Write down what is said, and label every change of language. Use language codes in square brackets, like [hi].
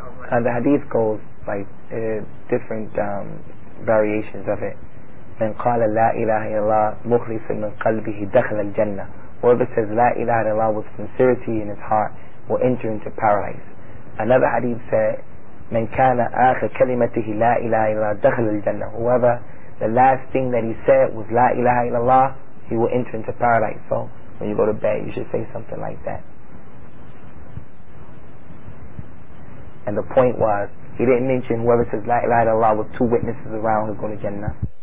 [en] And the hadith goes by different variations of it. [ar] من قال لا إله إلا الله مخلصا من قلبه دخل الجنة. [en] Whoever says La ilaha illallah with sincerity in his heart will enter into paradise. Another hadith said, [ar] من كان آخر كلمته لا إله إلا دخل الجنة. [en] Whoever the last thing that he said was La ilaha illallah, he will enter into paradise. So when you go to bed, you should say something like that. And the point was, He didn't mention whoever says La ilaha illallah with two witnesses around who go to Jannah.